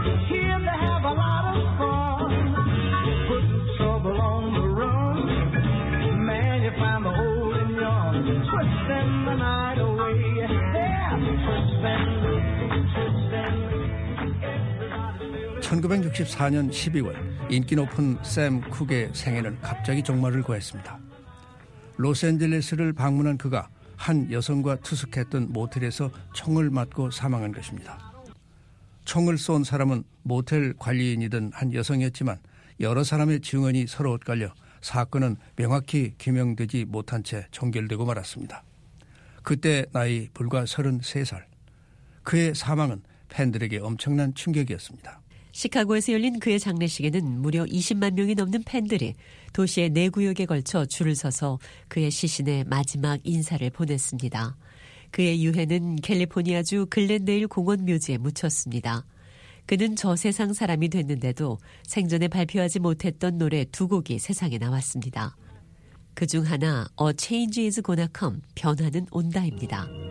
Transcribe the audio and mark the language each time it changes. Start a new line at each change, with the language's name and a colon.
English: here they have a lot of fun put trouble on the run man you find the old and young twisting the night away yeah twisting
Korean: 1964년 12월 인기 높은 샘 쿡의 생애는 갑자기 종말을 구했습니다. 로스앤젤레스를 방문한 그가 한 여성과 투숙했던 모텔에서 총을 맞고 사망한 것입니다. 총을 쏜 사람은 모텔 관리인이던 한 여성이었지만 여러 사람의 증언이 서로 엇갈려 사건은 명확히 규명되지 못한 채 종결되고 말았습니다. 그때 나이 불과 33살. 그의 사망은 팬들에게 엄청난 충격이었습니다. 시카고에서 열린 그의 장례식에는 무려 20만 명이 넘는 팬들이 도시의 네 구역에 걸쳐 줄을 서서 그의 시신에 마지막 인사를 보냈습니다. 그의 유해는 캘리포니아주 글렌데일 공원 묘지에 묻혔습니다. 그는 저세상 사람이 됐는데도 생전에 발표하지 못했던 노래 두 곡이 세상에 나왔습니다. 그중 하나 A Change Is Gonna Come, 변화는 온다입니다.